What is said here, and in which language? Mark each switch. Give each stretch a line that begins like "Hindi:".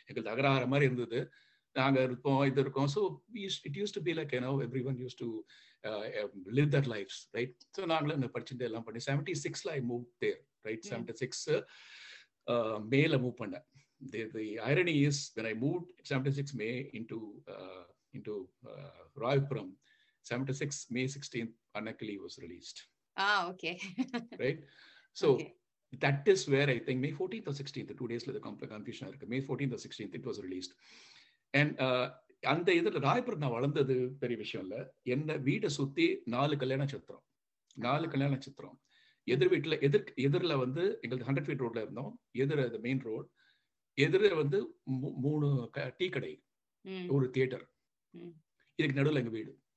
Tamil: தகராறு மாதிரி இருந்தது நாங்க இருப்போம் இது இருக்கோம்
English: so it used to be like you know everyone used to live that life right so
Tamil: நாங்களும் படிச்சுட்டு எல்லாம் பண்ணி 76 ல
English: I move there right 76
Tamil: மேல மூவ் பண்ணேன்
English: The irony is when I moved 76 May into Royapuram 76 May 16th Anakali was released. Ah, okay. Right? So, okay. That is where I think May 14th or 16th, 2 days later, the confusion, May 14th or 16th, it was released.
Tamil: And அந்த இதுல ராய்பூர் நான் வளர்ந்தது பெரிய விஷயம் இல்ல. என்ன வீட்டை சுத்தி நாலு கல்யாண சித்திரம், நாலு கல்யாண சித்திரம். எதிர் வீட்டுல எதிர் எதிரில் வந்து எங்களுக்கு 100 feet ரோட்ல இருந்தோம், எதிர மெயின் ரோடு, எதிர வந்து மூணு டீ கடை, ஒரு தியேட்டர், இதுக்கு நடுவில் எங்க வீடு.